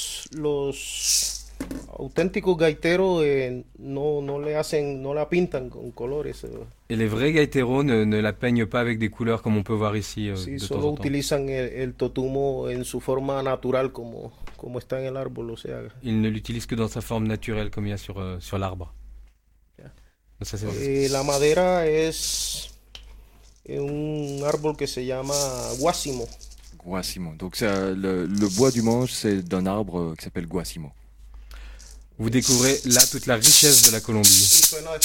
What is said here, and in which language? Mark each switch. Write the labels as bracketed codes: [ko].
[es] Los auténticos gaiteros no la pintan con colores. [fr] Et les vrais gaiteros ne la peignent pas avec des couleurs comme on peut voir ici. [es] Sí, solo utilizan el totumo en su forma natural como está en el árbol, o sea. [fr] Ils ne l'utilisent que dans sa forme naturelle comme il y a sur l'arbre. Yeah. Ça, c'est vrai. [es] La madera es un árbol que se llama guásimo. Guásimo. [fr] Donc ça, le bois du manche, c'est d'un arbre qui s'appelle guásimo. Vous découvrez là toute la richesse de la Colombie.